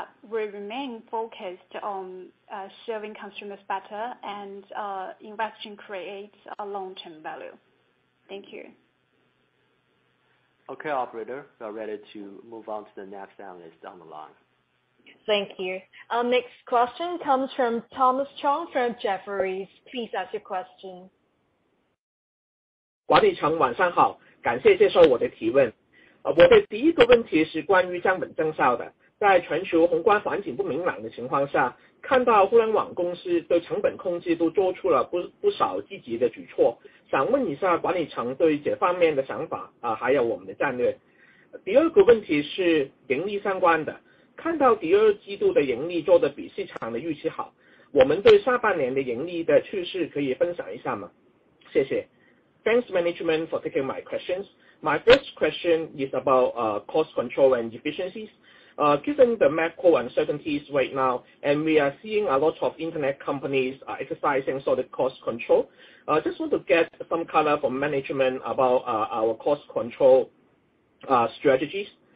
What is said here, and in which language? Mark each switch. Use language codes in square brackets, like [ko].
[en] We remain focused on serving consumers better and investing creates a long-term value. Thank you. Okay, operator, we are ready to move on to the next analyst on the line. Thank you. Our next question comes from Thomas Chong from Jefferies. Please ask your question. [zh] 管理层, 晚上好, 感谢接受我的提问。我的第一个问题是关于降本增效的。在全球宏观环境不明朗的情况下, 看到互联网公司对成本控制都做出了不少积极的举措, 想问一下管理层对这方面的想法, 还有我们的战略。第二个问题是盈利相关的, 看到第二季度的盈利做得比市场的预期好, 我们对下半年的盈利的趋势可以分享一下吗? 谢谢。 [en] Thanks management for taking my questions. My first question is about cost control and efficiencies. Given the macro uncertainties right now, and we are seeing a lot of internet companies exercising sort of cost control, I just want to get some color from management about our cost control strategies.